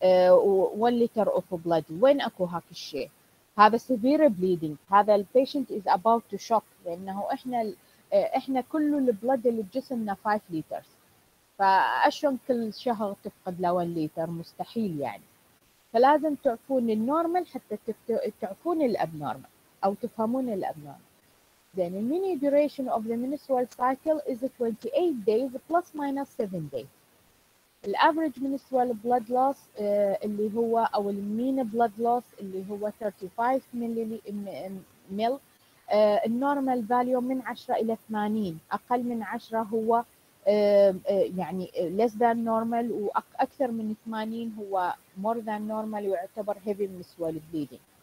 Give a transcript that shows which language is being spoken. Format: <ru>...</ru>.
<ar>1 لتر اوف بلاد، وين اكو هاك الشيء؟ هذا</ar> <en>severe bleeding،</en> <ar>هذا البيشنت</ar> <en>is about to shock،</en> <ar>لأنه إحنا كل البلد اللي بجسمنا 5 لتر، فأشون كل شهر تفقد له 1 لتر مستحيل يعني، فلازم تعرفون النورمال حتى تعرفون الأبنورمال أو تفهمون الأبنورمال.</ar> <en>Then the mean duration of the menstrual cycle is 28 days plus minus 7 days.</en> <ar>الأفريج منسوال بلاد لوس اللي هو أو المين بلاد لوس اللي هو 35 ملي، النورمال فاليو من 10 إلى 80، أقل من 10 هو يعني</ar> <en>less than normal،</en> <ar>وأكثر من 80 هو</ar> <en>more than normal</en> <ar>ويعتبر heavy منسوال bleeding.</ar>